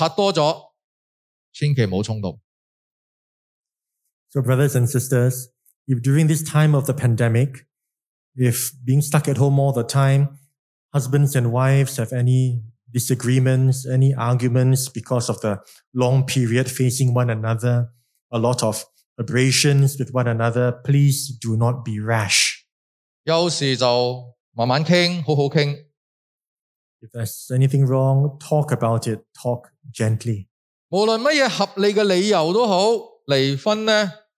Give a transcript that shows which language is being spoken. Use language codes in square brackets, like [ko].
[zh] 所以亲爱的弟兄姊妹们，如果在这段疫情的期间，夫妻有什么争执，彼此之间因为家里时间长了，摩擦多了，千万不要冲动。 [en] So brothers and sisters, if during this time of the pandemic, if being stuck at home all the time, husbands and wives have any disagreements, any arguments because of the long period facing one another, a lot of abrasions with one another, please do not be rash. [zh] 有事就慢慢谈，好好谈。 [en] If there's anything wrong, talk about it, talk gently. [zh] 无论什么合理的理由都好，离婚呢？